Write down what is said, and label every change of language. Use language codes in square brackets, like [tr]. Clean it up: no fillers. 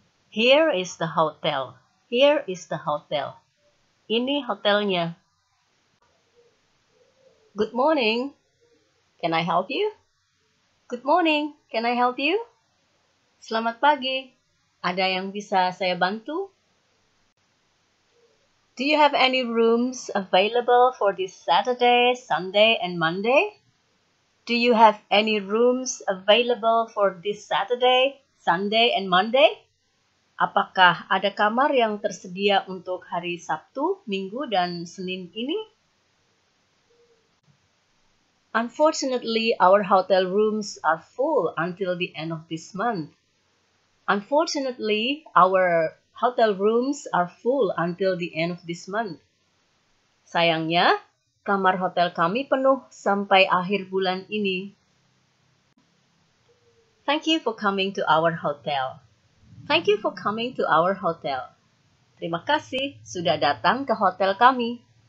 [en] Here is the hotel. Here is the hotel. [id] Ini hotelnya. [en] Good morning. Can I help you? Good morning. Can I help you? [id] Selamat pagi. Ada yang bisa saya bantu? [en] Do you have any rooms available for this Saturday, Sunday, and Monday? Do you have any rooms available for this Saturday, Sunday, and Monday? [id] Apakah ada kamar yang tersedia untuk hari Sabtu, Minggu, dan Senin ini? [en] Unfortunately, our hotel rooms are full until the end of this month. Unfortunately, our hotel rooms are full until the end of this month. [id] Sayangnya, kamar hotel kami penuh sampai akhir bulan ini. [en] Thank you for coming to our hotel. Thank you for coming to our hotel. [id] Terima kasih sudah datang ke hotel kami.